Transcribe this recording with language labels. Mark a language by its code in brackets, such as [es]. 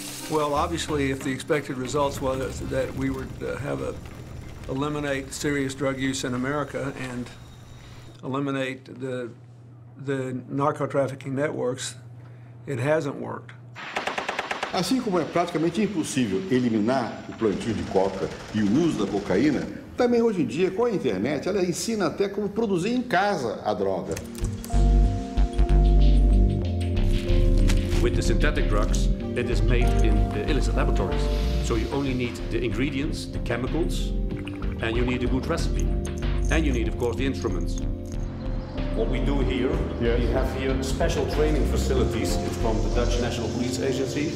[en] Well, obviously if the expected results was that we would have a eliminate serious drug use in America and eliminate the narcotrafficking networks, it hasn't worked. [pt] Assim como é praticamente impossível eliminar o plantio de coca e o uso da cocaína, também hoje em dia com a internet ela ensina até como produzir em casa a droga. [en] With the synthetic drugs that is made in the illicit laboratories, so you only need the ingredients, the chemicals, and you need a good recipe. And you need, of course, the instruments. What we do here, yes, we have here special training facilities from the Dutch National Police Agency.